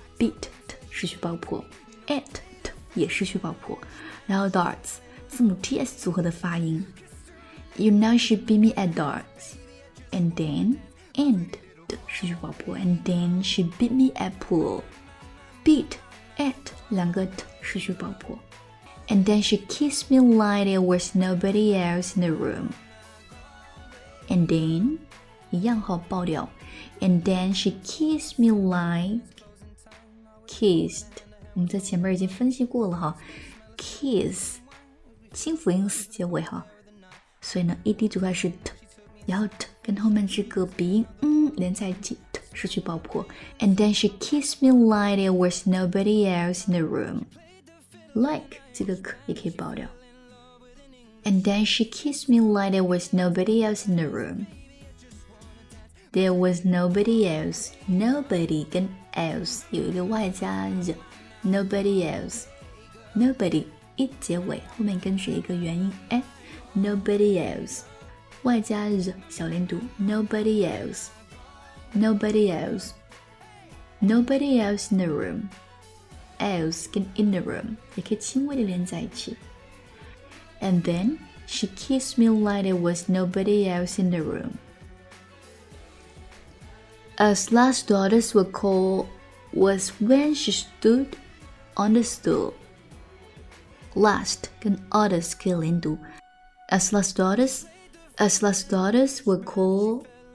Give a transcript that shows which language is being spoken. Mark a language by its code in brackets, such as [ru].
[zh] Beat 失去爆破 at 也失去爆破，然后 darts 字母 TS 组合的发音。 [en] You know she beat me at darts, and then and [zh] 失去爆破 [en] and then she beat me at pool. Beat at [zh] 两个 t 失去爆破。 [en] And then she kissed me like there was nobody else in the room. And then, [zh] 一样好爆掉。 [en] And then she kissed me like kissed. [zh] 我们在前面已经分析过了哈。Kiss, 轻辅音死结尾哈。所以呢 ,ED 组块是 t, 然后 t 跟后面这个鼻音连在一起 t, 失去爆破。 [en] And then she kissed me like there was nobody else in the room. [zh] Like, 这个可也可以爆掉。 [en] And then she kissed me like there was nobody else in the room. There was nobody else. [zh] Nobody 跟 else 有一个外加 the. [en] Nobody else. [zh] Nobody 一结尾后面跟着一个元音 a. [en] Nobody else. [zh] 外加 the 小连读 [en] Nobody else. Nobody else. Nobody else in the room. [zh] Else 跟 [en] in the room [zh] 也可以轻微的连在一起。 [en] And then she kissed me like there was nobody else in the room. As last daughters were called was when she stood on the stool. [zh] Last 跟 others 可以连读。 [en] As last daughters were called.